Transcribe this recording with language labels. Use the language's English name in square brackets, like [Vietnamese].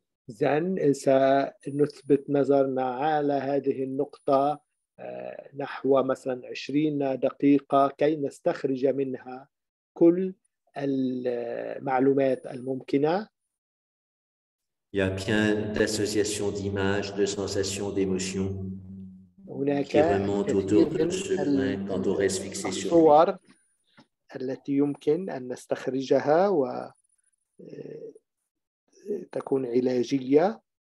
[Arabic] إذن سنثبت نظرنا على هذه النقطة نحو مثلا 20 دقيقة كي نستخرج منها كل المعلومات الممكنة. [French] Il y a plein d'associations d'images, de sensations, d'émotions qui remontent autour de ce point quand on reste fixé sur lui. [Arabic] الصور التي يمكن أن نستخرجها و تكون علاجية.